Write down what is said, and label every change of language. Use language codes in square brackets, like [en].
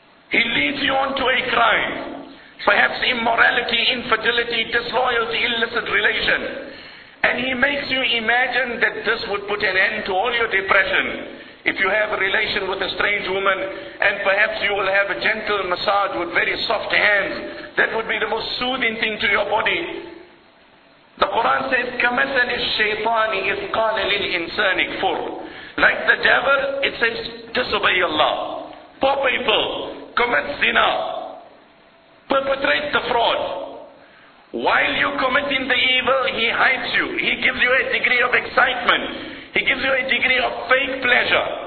[en] He leads you on to a crime. Perhaps immorality, infidelity, disloyalty, illicit relation. And he makes you imagine that this would put an end to all your depression. If you have a relation with a strange woman, and perhaps you will have a gentle massage with very soft hands, that would be the most soothing thing to your body. The Quran says, [ar] كَمَثَلِ الشَّيْطَانِ إِذْ قَالَ لِلْإِنسَانِ كُفُرْ. [en] Like the devil, it says, disobey Allah. Poor people, commit zina. Perpetrate the fraud. While you're committing the evil, he hides you. He gives you a degree of excitement. He gives you a degree of fake pleasure.